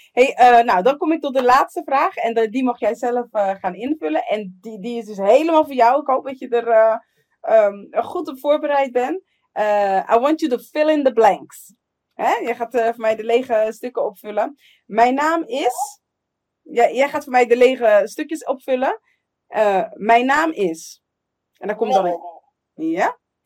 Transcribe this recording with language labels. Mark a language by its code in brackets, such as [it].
[nl] Hey, dan kom ik tot de laatste vraag. En die mag jij zelf gaan invullen. En die is dus helemaal voor jou. Ik hoop dat je er goed op voorbereid bent. [en] I want you to fill in the blanks. [nl] Hè? Je gaat voor mij de lege stukken opvullen. Mijn naam is... Ja, jij gaat voor mij de lege stukjes opvullen. Mijn naam is... En daar komt dan... Ja?